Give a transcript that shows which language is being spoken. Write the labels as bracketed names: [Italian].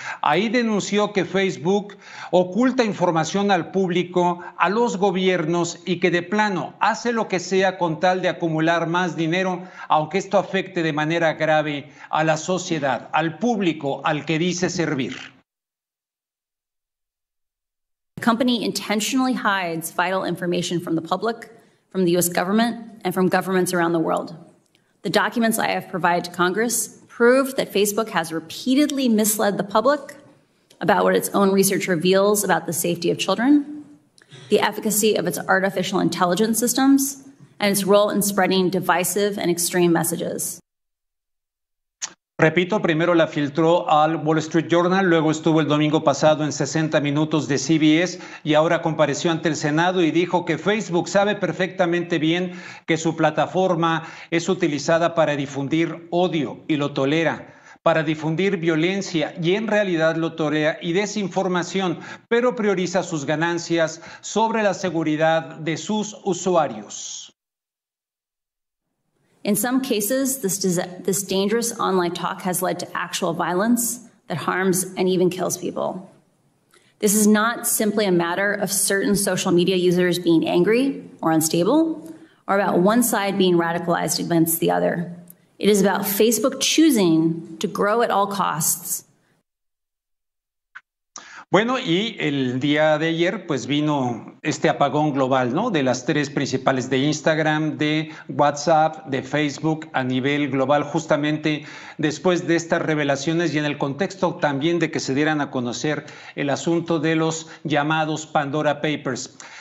[Spanish] Ahí denunció que Facebook oculta información al público, a los gobiernos y que de plano hace lo que sea con tal de acumular más dinero, aunque esto afecte de manera grave a la sociedad, al público al que dice servir. [English] The company intentionally hides vital information from the public, from the US government, and from governments around the world. The documents I have provided to Congress prove that Facebook has repeatedly misled the public about what its own research reveals about the safety of children, the efficacy of its artificial intelligence systems, and its role in spreading divisive and extreme messages. [Spanish] Repito, primero la filtró al Wall Street Journal, luego estuvo el domingo pasado en 60 minutos de CBS y ahora compareció ante el Senado y dijo que Facebook sabe perfectamente bien que su plataforma es utilizada para difundir odio y lo tolera, para difundir violencia y en realidad lo tolera y desinformación, pero prioriza sus ganancias sobre la seguridad de sus usuarios. [English] In some cases, this dangerous online talk has led to actual violence that harms and even kills people. This is not simply a matter of certain social media users being angry or unstable, or about one side being radicalized against the other. It is about Facebook choosing to grow at all costs. [Spanish] Bueno, y el día de ayer, pues vino este apagón global, ¿no? De las tres principales, de Instagram, de WhatsApp, de Facebook a nivel global, justamente después de estas revelaciones y en el contexto también de que se dieran a conocer el asunto de los llamados Pandora Papers.